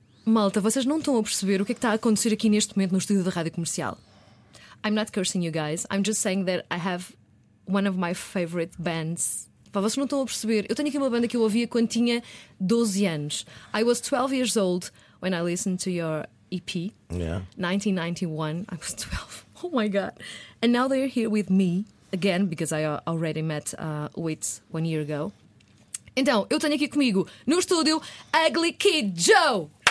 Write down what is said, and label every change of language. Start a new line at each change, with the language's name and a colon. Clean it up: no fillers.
Portuguese: Malta, vocês não estão a perceber o que é que está a acontecer aqui neste momento no estúdio da Rádio Comercial.
English: I'm not cursing you guys. I'm just saying that I have one of my favorite bands.
Portuguese: Pá, vocês não estão a perceber. Eu tenho aqui uma banda que eu ouvia quando tinha 12 anos.
English: I was 12 years old when I listened to your EP. Yeah. 1991. I was 12. Oh my God. And now they're here with me again, because I already met Wits 1 year ago.
Portuguese: Então, eu tenho aqui comigo, no estúdio, Ugly Kid Joe.